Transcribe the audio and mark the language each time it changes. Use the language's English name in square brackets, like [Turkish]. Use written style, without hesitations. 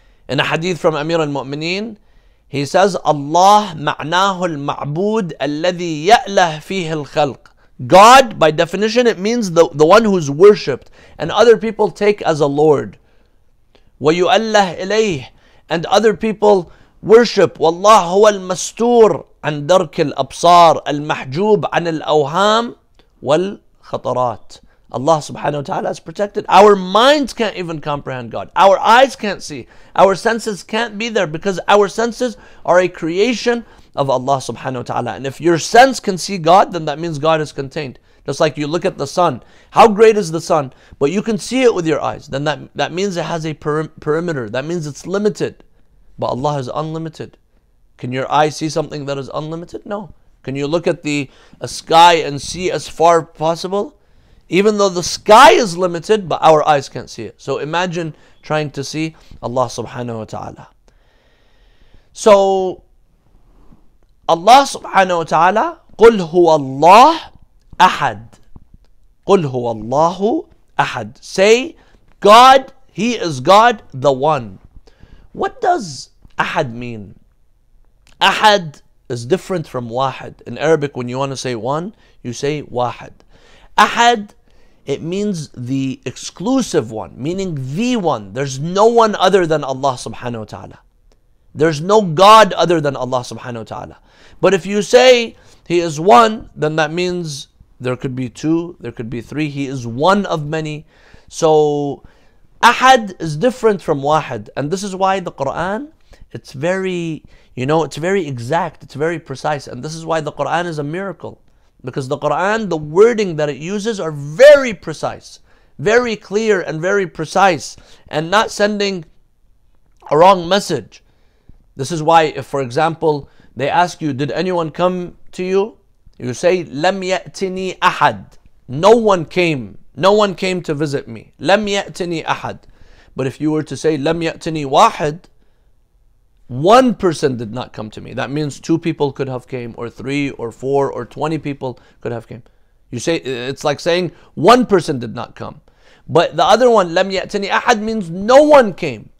[English] In a hadith from Amir al-Mu'mineen, he says, [Arabic] Allah ma'nahu al-ma'bud alladhi ya'lah fihi al-khalq. [English] God, by definition, it means the one who's worshipped. And other people take as a Lord. [Arabic] Wa yu'allah ilayh. [English] And other people worship. [Arabic] Wallah huwa al-mastur. عن درك الأبصار المحجوب عن الأوهام والخطرات. [English] Allah subhanahu wa ta'ala is protected. Our minds can't even comprehend God. Our eyes can't see. Our senses can't be there because our senses are a creation of Allah subhanahu wa ta'ala. And if your sense can see God, then that means God is contained. Just like you look at the sun. How great is the sun? But you can see it with your eyes. Then that means it has a perimeter. That means it's limited. But Allah is unlimited. Can your eye see something that is unlimited? No. Can you look at the sky and see as far possible? Even though the sky is limited, but our eyes can't see it. So imagine trying to see Allah subhanahu wa ta'ala. So [Arabic] Allah subhanahu wa ta'ala, قُلْ هُوَ اللَّهُ أَحَدٌ قُلْ هُوَ اللَّهُ أَحَدٌ. [English] Say, God, He is God, the One. What does أحد mean? Ahad is different from wahad. In Arabic, when you want to say one, you say wahad. Ahad, it means the exclusive one, meaning the one. There's no one other than Allah subhanahu wa ta'ala. There's no God other than Allah subhanahu wa ta'ala. But if you say He is one, then that means there could be two, there could be three. He is one of many. So ahad is different from wahad. And this is why the Quran, it's very exact, it's very precise. And this is why the Qur'an is a miracle. Because the Qur'an, the wording that it uses are very precise. Very clear and very precise. And not sending a wrong message. This is why, if for example, they ask you, did anyone come to you? You say, [Arabic] لم يأتني أحد. [English] No one came. No one came to visit me. [Arabic] لم يأتني أحد. [English] But if you were to say, [Arabic] لم يأتني واحد, [English] one person did not come to me. That means two people could have came, or three, or four, or 20 people could have came. You say, it's like saying one person did not come. But the other one, [Arabic] لم يأتني أحد, [English] means no one came.